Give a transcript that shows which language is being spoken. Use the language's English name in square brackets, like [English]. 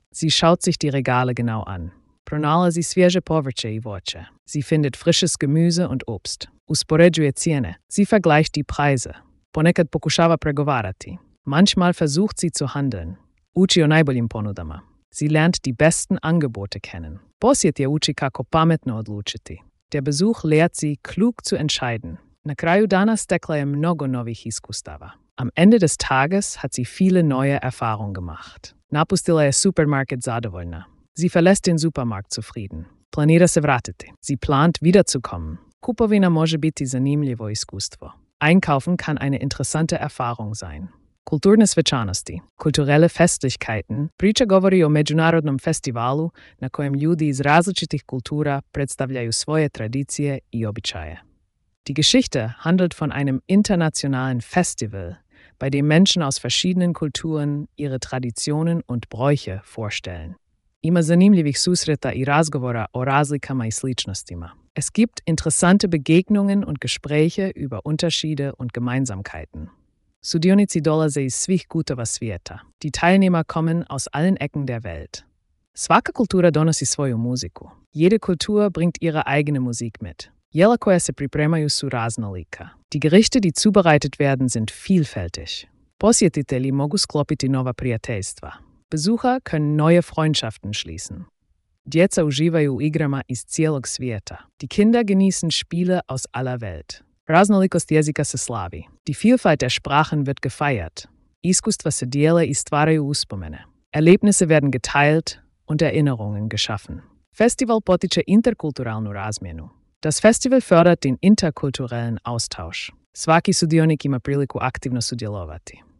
[German] Sie schaut sich die Regale genau an. [Croatian] Pronalazi svježe povrće i voće. [German] Sie findet frisches Gemüse und Obst. [Croatian] Uspoređuje cijene. [German] Sie vergleicht die Preise. [Croatian] Ponekad pokušava pregovarati. [German] Manchmal versucht sie zu handeln. [Croatian] Uči o najboljim ponudama. [German] Sie lernt die besten Angebote kennen. [Croatian] Posjet je uči kako pametno odlučiti. [German] Der Besuch lehrt sie, klug zu entscheiden. [Croatian] Na kraju dana stekla je mnogo novih iskustava. [German] Am Ende des Tages hat sie viele neue Erfahrungen gemacht. [Croatian] Napustila je supermarket zadovoljna. [German] Sie verlässt den Supermarkt zufrieden. [Croatian] Planira se vratiti. [German] Sie plant wiederzukommen. [Croatian] Kupovina može biti zanimljivo iskustvo. [German] Einkaufen kann eine interessante Erfahrung sein. [Croatian] Kulturne svečanosti. [German] Kulturelle Festlichkeiten. [Croatian] Priča govori o međunarodnom festivalu na kojem ljudi iz različitih kultura predstavljaju svoje tradicije i običaje. [German] Die Geschichte handelt von einem internationalen Festival, bei dem Menschen aus verschiedenen Kulturen ihre Traditionen und Bräuche vorstellen. [Croatian] Ima zanimljivih susreta i razgovora o razlikama i sličnostima. [German] Es gibt interessante Begegnungen und Gespräche über Unterschiede und Gemeinsamkeiten. [Croatian] Sudionici dolaze iz svih kutova svijeta. [German] Die Teilnehmer kommen aus allen Ecken der Welt. [Croatian] Svaka kultura donosi svoju muziku. [German] Jede Kultur bringt ihre eigene Musik mit. [Croatian] Jela koja se pripremaju su raznolika. [German] Die Gerichte, die zubereitet werden, sind vielfältig. [Croatian] Posjetitelji mogu sklopiti nova prijateljstva. [German] Besucher können neue Freundschaften schließen. [Croatian] Djeca uživaju igrama iz cijelog svijeta. [German] Die Kinder genießen Spiele aus aller Welt. [Croatian] Raznolikost jezika se slavi. [German] Die Vielfalt der Sprachen wird gefeiert. [Croatian] Iskustva se dijele i stvaraju uspomene. [German] Erlebnisse werden geteilt und Erinnerungen geschaffen. [Croatian] Festival potiče interkulturalnu razmjenu. [German] Das Festival fördert den interkulturellen Austausch. [Croatian] Svaki sudionik ima priliku aktivno sudjelovati.